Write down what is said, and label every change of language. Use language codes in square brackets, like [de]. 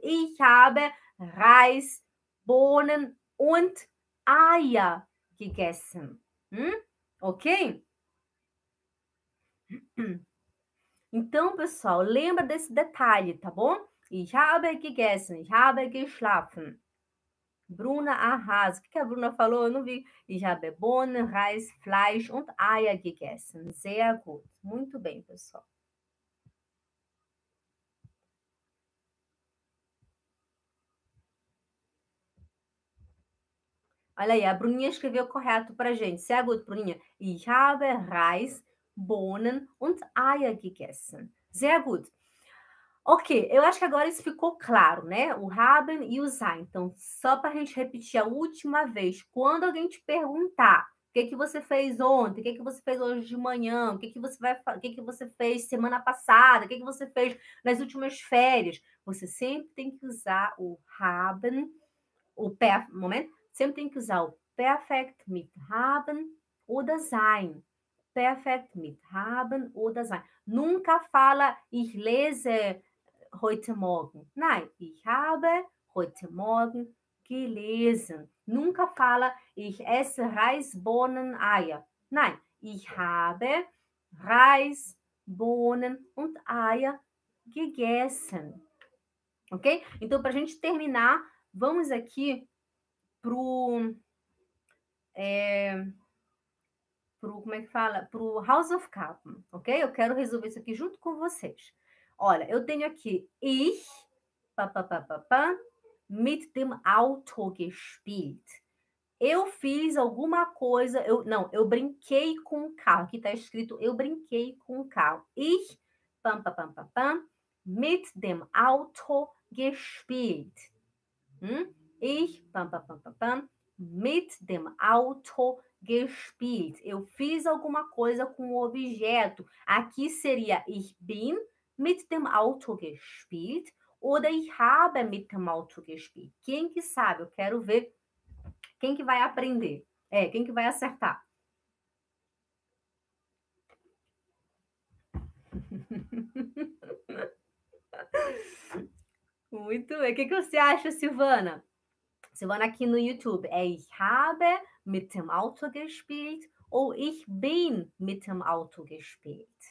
[de] Ich habe Reis, Bohnen und Eier gegessen. Ok? [pt] Então, pessoal, lembra desse detalhe, tá bom? [de] Ich habe gegessen, ich habe geschlafen. [pt] Bruna arrasa. O que a Bruna falou? Eu não vi. [de] Ich habe Bohnen, Reis, Fleisch und Eier gegessen. Sehr gut. [pt] Muito bem, pessoal. Olha aí, a Bruninha escreveu correto para a gente. [de] Sehr gut, Bruninha. Ich habe Reis, Bohnen und Eier gegessen. Sehr gut. [pt] Ok, eu acho que agora isso ficou claro, né? O haben e o sein. Então, só para a gente repetir a última vez. Quando alguém te perguntar o que que você fez ontem, o que que você fez hoje de manhã, o que que você fez semana passada, o que que você fez nas últimas férias, você sempre tem que usar o haben, o per, momento. Sempre tem que usar o perfect [de] mit haben oder sein. Perfect mit haben oder sein. [pt] Nunca fala [de] ich lese heute morgen. Nein, ich habe heute morgen gelesen. [pt] Nunca fala [de] ich esse Reis, Bohnen, Eier. Nein, ich habe Reis, Bohnen und Eier gegessen. Ok? [pt] Então, para a gente terminar, vamos aqui. Como é que fala? Pro House of Cards, ok? Eu quero resolver isso aqui junto com vocês. Olha, eu tenho aqui [de] ich pá, pá, pá, pá, pá, mit dem Auto gespielt. [pt] Eu fiz alguma coisa, eu não, eu brinquei com o carro. Aqui tá escrito eu brinquei com o carro. [de] Ich pam pam pam pam mit dem Auto gespielt. Ich pam, pam, pam, pam, mit dem Auto gespielt. [pt] Eu fiz alguma coisa com o objeto. Aqui seria [de] ich bin mit dem Auto gespielt oder ich habe mit dem Auto gespielt. [pt] Quem que sabe? Eu quero ver quem que vai aprender. É, quem que vai acertar? Muito bem. O que que você acha, Silvana? [de] Silvana [pt] aqui no YouTube, é [de] ich habe mit dem Auto gespielt [pt] ou [de] ich bin mit dem Auto gespielt?